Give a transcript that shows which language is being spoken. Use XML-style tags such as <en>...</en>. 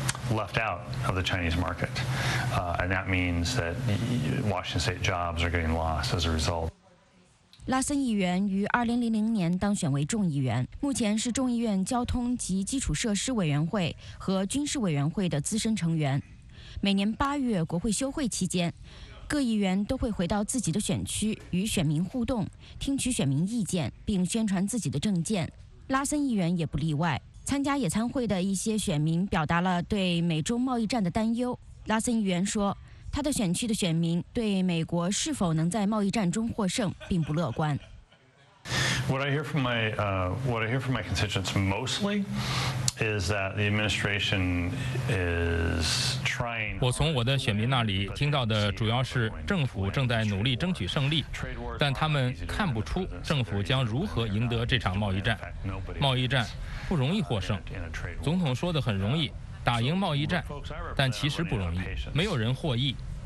<en>Left out of the Chinese market, and that means that Washington State jobs are getting lost as a result.</en> <zh>拉森议员于2000年当选为众议员，目前是众议院交通及基础设施委员会和军事委员会的资深成员。每年八月国会休会期间，各议员都会回到自己的选区与选民互动，听取选民意见，并宣传自己的政见。拉森议员也不例外。参加野餐会的一些选民表达了对美中贸易战的担忧。拉森议员说，他的选区的选民对美国是否能在贸易战中获胜并不乐观。</zh> <en>What I hear from my constituents mostly is that the administration is trying.</en> <zh>我从我的选民那里听到的主要是政府正在努力争取胜利，但他们看不出政府将如何赢得这场贸易战。贸易战不容易获胜，总统说的很容易，打赢贸易战，但其实不容易，没有人获益。</zh>